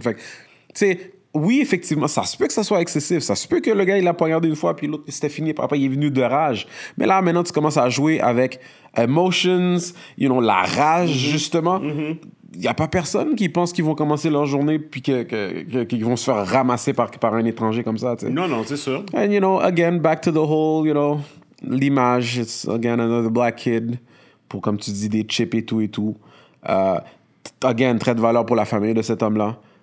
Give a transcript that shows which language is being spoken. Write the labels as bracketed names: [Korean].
[French] Fait que, tu sais, oui, effectivement, ça se peut que ça soit excessif, ça se peut que le gars, il l'a poignardé une fois, puis l'autre, c'était fini, puis après, il est venu de rage. Mais là, maintenant, tu commences à jouer avec emotions, [English] you know, [French] la rage, justement. Il y a pas personne qui pense qu'ils vont commencer leur journée puis qu'ils vont se faire ramasser par un étranger comme ça, tu sais. Non, non, c'est sûr. [English] And, you know, again, back to the whole, you know... [French] L'image, [English] it's again another black kid [French] pour, comme tu dis, des chips et tout et tout. [English] Again, [French] trait de valeur pour la famille de cet homme-là.